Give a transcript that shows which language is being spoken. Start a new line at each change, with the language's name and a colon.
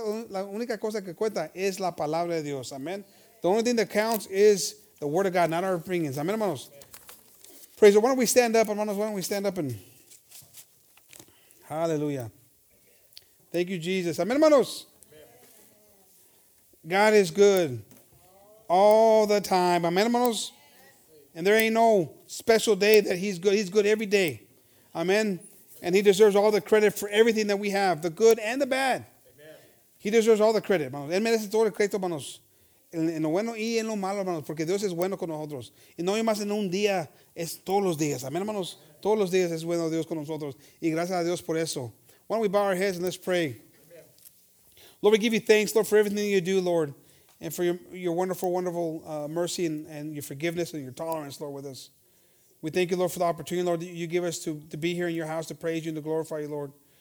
Spanish: La única cosa que cuenta es la palabra de Dios. Amen.
English: The only thing that counts is the word of God, not our opinions. Amen, hermanos. Amen. Praise the Lord. Why don't we stand up, hermanos? Why don't we stand up and hallelujah. Thank you, Jesus. Amen, hermanos. God is good all the time. Amen, hermanos. And there ain't no special day that he's good. He's good every day. Amen. And he deserves all the credit for everything that we have, the good and the bad. Amen. He deserves all the credit, hermanos.
Spanish: Él merece todo el crédito, hermanos. En lo bueno y en lo malo, hermanos. Porque Dios es bueno con nosotros. Y no más en un día, es todos los días. Amen, hermanos. Amen. Todos los días es bueno Dios con nosotros. Y gracias a Dios por eso.
English: Why don't we bow our heads and let's pray. Lord, we give you thanks, Lord, for everything you do, Lord, and for your wonderful, wonderful mercy and your forgiveness and your tolerance, Lord, with us. We thank you, Lord, for the opportunity, Lord, that you give us to be here in your house to praise you and to glorify you, Lord.